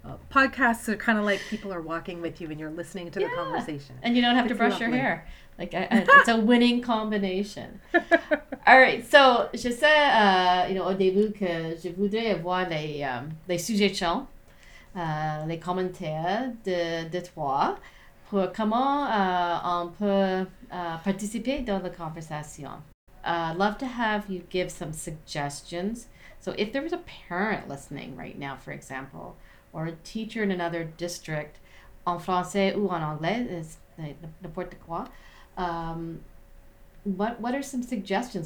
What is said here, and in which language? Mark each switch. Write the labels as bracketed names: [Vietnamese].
[English] Podcasts are kind of like people are walking with you and you're listening to the conversation. And you don't have to brush your hair. Like, it's a winning combination. All right. [French] So, je sais, au début que je voudrais avoir les sujets chants, les commentaires de toi pour comment on peut participer dans la conversation. [English] I'd love to have you give some suggestions. So, if there was a parent listening right now, for example, or a teacher in another district, [French] en français ou en anglais, is n'importe quoi. [English] What are some suggestions?